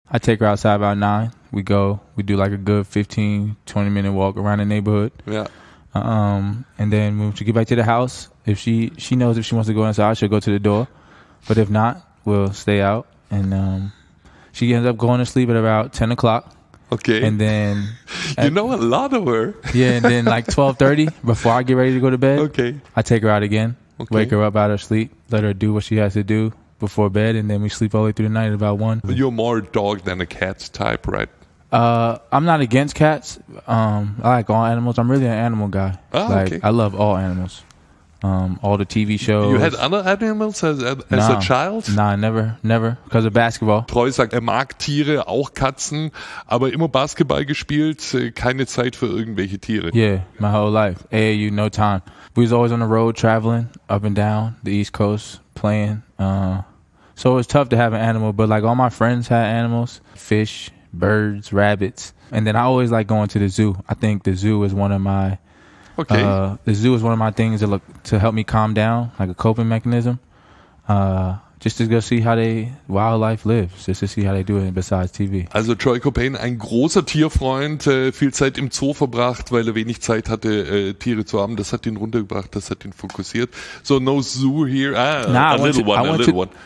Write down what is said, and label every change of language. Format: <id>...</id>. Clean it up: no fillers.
<en>I take her outside about 9. We go, we do like a good 15, 20 minute walk around the neighborhood. Ja. Yeah. And then when she get back to the house, if she knows if she wants to go inside, she'll go to the door. But if not, we'll stay out. And she ends up going to sleep at about 10 o'clock. Okay. And then... you know a lot of her. Yeah, and then like 12:30, before I get ready to go to bed, okay. I take her out again, okay. wake her up out of sleep, let her do what she has to do before bed, and then we sleep all the way through the night at about 1. But you're more dog than a cat type, right? I'm not against cats. I like all animals. I'm really an animal guy. Oh, like okay. I love all animals. All the TV shows. You had other animals as a child? Nein, never, because of basketball.</en> <de>Troy sagt, er mag Tiere, auch Katzen, aber immer Basketball gespielt, keine Zeit für irgendwelche Tiere.</de> <en>Yeah, my whole life, AAU, no time. We was always on the road traveling up and down the East Coast playing. So it was tough to have an animal, but like all my friends had animals, fish, birds, rabbits. And then I always like going to the zoo. I think the zoo is one of my... Okay. The zoo is one of my things to help me calm down, like a coping mechanism, just to go see how they wildlife lives, just to see how they do it besides TV.</en> <de>Also Troy Copain, ein großer Tierfreund, viel Zeit im Zoo verbracht, weil er wenig Zeit hatte, Tiere zu haben. Das hat ihn runtergebracht, das hat ihn fokussiert.</de> <en>So no zoo here, a little one.</en>